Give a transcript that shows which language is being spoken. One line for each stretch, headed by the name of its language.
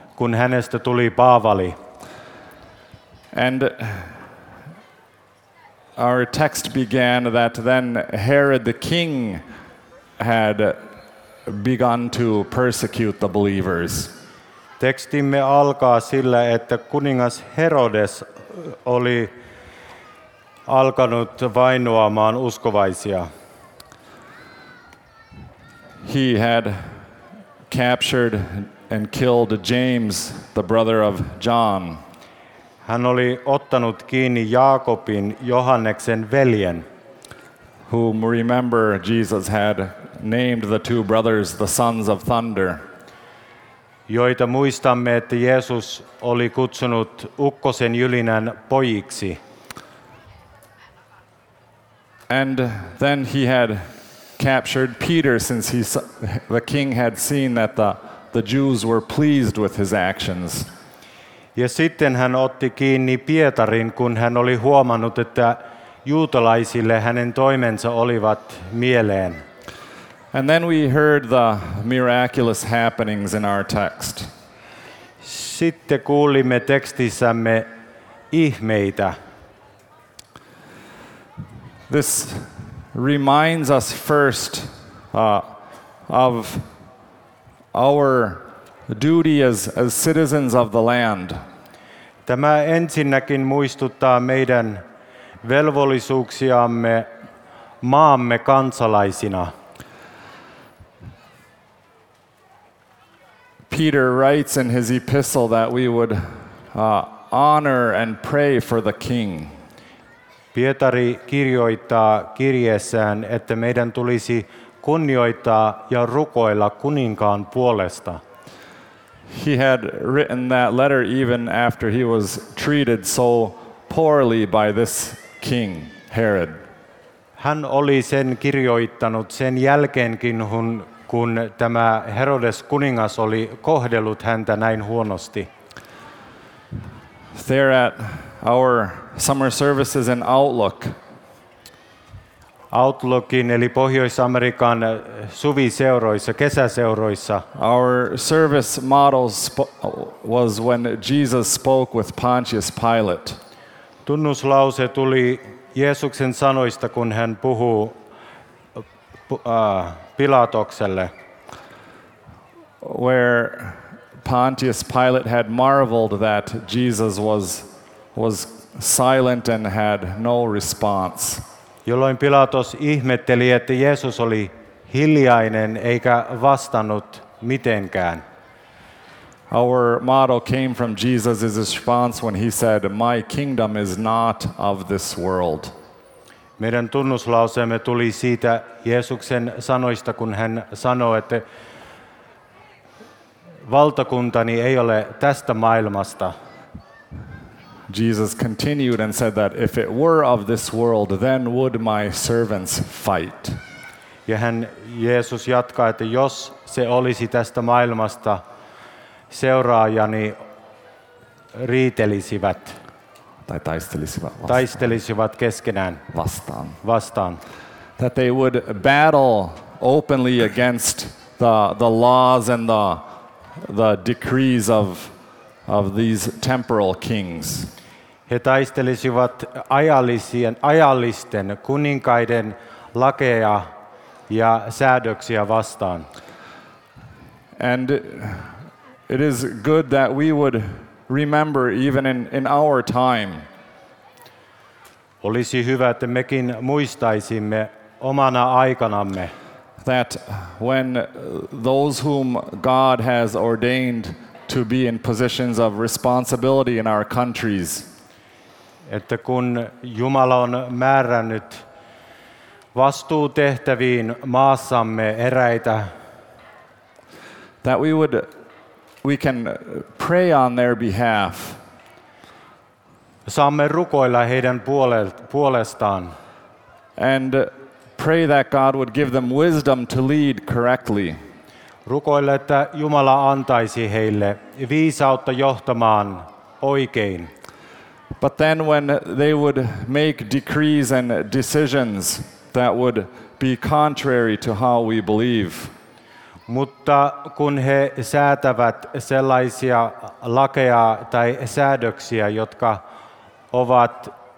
Finnish: Kun hänestä tuli Paavali.
English: And our text began that then Herod the king had begun to persecute the believers.
Finnish: Tekstimme alkaa sillä, että kuningas Herodes oli alkanut vainoamaan uskovaisia.
English: He had captured and killed James, the brother of John.
Finnish: Hän oli ottanut kiinni Jaakobin, Johanneksen veljen.
English: Whom, remember, Jesus had named the two brothers the sons of thunder.
Finnish: Joita muistamme, että Jeesus oli kutsunut ukkosen jylinän pojiksi.
English: And then he had captured Peter, since he, the king had seen that the Jews were pleased with his actions.
Finnish: Ja sitten hän otti kiinni Pietarin, kun hän oli huomannut, että juutalaisille hänen toimensa olivat mieleen.
English: And then we heard the miraculous happenings in our text.
Finnish: Sitten kuulimme tekstissämme ihmeitä.
English: This reminds us first of our duty as citizens of the land.
Finnish: Tämä ensinnäkin muistuttaa meidän velvollisuuksiamme maamme kansalaisina.
English: Peter writes in his epistle that we would honor and pray for the king.
Finnish: Pietari kirjoittaa kirjeessään, että meidän tulisi kunnioittaa ja rukoilla kuninkaan puolesta.
English: He had written that letter even after he was treated so poorly by this king, Herod.
Finnish: Hän oli sen kirjoittanut sen jälkeenkin, kun tämä Herodes kuningas oli kohdellut häntä näin huonosti.
English: There at our summer services in Outlook.
Finnish: Outlookin eli Pohjois-Amerikan suviseuroissa, kesäseuroissa.
English: Our service model was when Jesus spoke with Pontius Pilate.
Finnish: Tunnuslause tuli Jeesuksen sanoista, kun hän puhuu Pilatokselle.
English: Where Pontius Pilate had marveled that Jesus was silent and had no response.
Finnish: Jolloin Pilatos ihmetteli, että Jeesus oli hiljainen eikä vastannut mitenkään.
English: Our motto came from Jesus' response when he said, "My kingdom is not of this world."
Finnish: Meidän tunnuslauseemme tuli siitä Jeesuksen sanoista, kun hän sanoi, että valtakuntani ei ole tästä maailmasta.
English: Jesus continued and said that if it were of this world, then would my servants fight.
Finnish: Ja hän Jeesus jatkaa, että jos se olisi tästä maailmasta, seuraajani riitelisivät. Tai taistelisivat vastaan. Taistelisivat keskenään. Vastaan.
English: That they would battle openly against the laws and the decrees of these temporal kings.
Finnish: He taistelisivat ajallisten kuninkaiden lakeja ja säädöksiä vastaan.
English: And it is good that we would remember even in our time.
Finnish: Olisi hyvä, että mekin muistaisimme omana aikanamme.
English: That when those whom God has ordained to be in positions of responsibility in our countries,
Finnish: että kun Jumala on määrännyt vastuutehtäviin maassamme eräitä,
English: that we can pray on their behalf.
Finnish: Saamme rukoilla heidän puolestaan.
English: And pray that God would give them wisdom to lead correctly.
Finnish: Rukoille, että Jumala antaisi heille viisautta johtamaan oikein.
English: But then when they would make decrees and decisions that would be contrary to how we believe.
Finnish: Mutta kun he säätävät sellaisia lakeja tai säädöksiä, jotka ovat